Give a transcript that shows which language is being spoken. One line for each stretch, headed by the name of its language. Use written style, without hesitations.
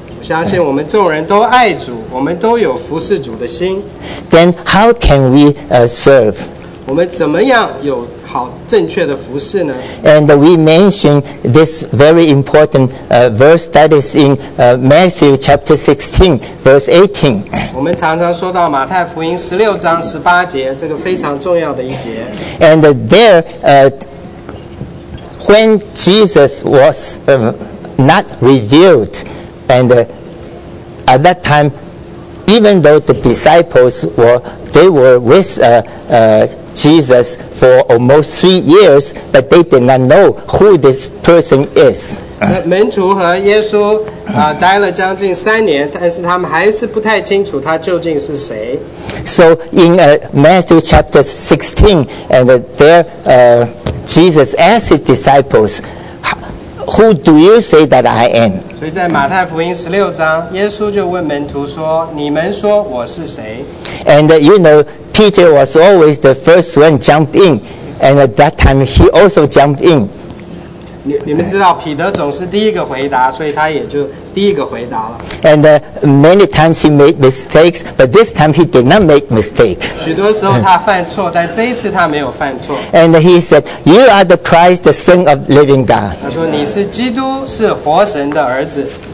Chinese: 我相信我们众人都爱主，我们都有服侍主的心。
English: Then how can we serve?
Chinese: 我们怎么样有好正确的服侍呢？
English: And we mention this very important verse that is in Matthew chapter 16, verse 18.
Chinese: 我们常常说到马太福音十六章十八节，这个非常重要的一节。
English: And there, when Jesus was not revealed, and at that time, even though the disciples were with Jesus for almost 3 years, but they did not know who this person is.
Chinese: 门徒和耶稣待了将近三年，但是他们还是不太清楚他究竟是谁。
English: So in Matthew chapter 16, and there Jesus asked his disciples, "Who do you say that I am?"
Chinese: 所以在马太福音十六章，耶稣就问门徒说：“你们说我是谁？”
English: And you know. Peter was always the first one jump in, and at that time he also jumped in.
Chinese: 你们知道彼得总是第一个回答，所以他也就第一个回答了。
English: And many times he made mistakes, but this time he did not make mistake.
Chinese: 许多时候他犯错，但这一次他没有犯错。
English: And he said, "You are the Christ, the Son of Living God."
Chinese: 他说你是基督，是活神的儿子。